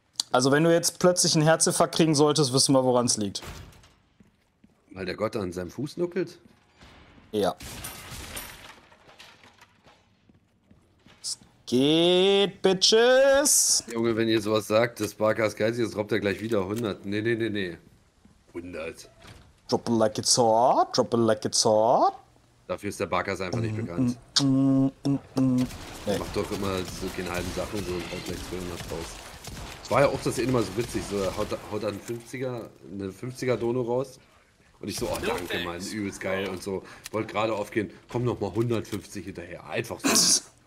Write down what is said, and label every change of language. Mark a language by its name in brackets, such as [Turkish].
[German] Also wenn du jetzt plötzlich einen Herzinfarkt kriegen solltest, wissen wir, woran es liegt. Weil der Gott an seinem Fuß nuckelt? Ja. Es geht, Bitches! Junge, wenn ihr sowas sagt, das Barkas geizig ist, droppt er gleich wieder 100. Nee. 100. [English] Drop it like it's hot, drop it like it's hot. [German] Dafür ist der Barkas einfach nicht bekannt. Nee. Macht doch immer so keine halben Sachen, so haut gleich 200 raus. Es war ja auch das immer so witzig, so haut dann eine 50er Dono raus. Und ich so, oh danke, Mann, übelst geil und so. Wollte gerade aufgehen, komm noch mal 150 hinterher, einfach so.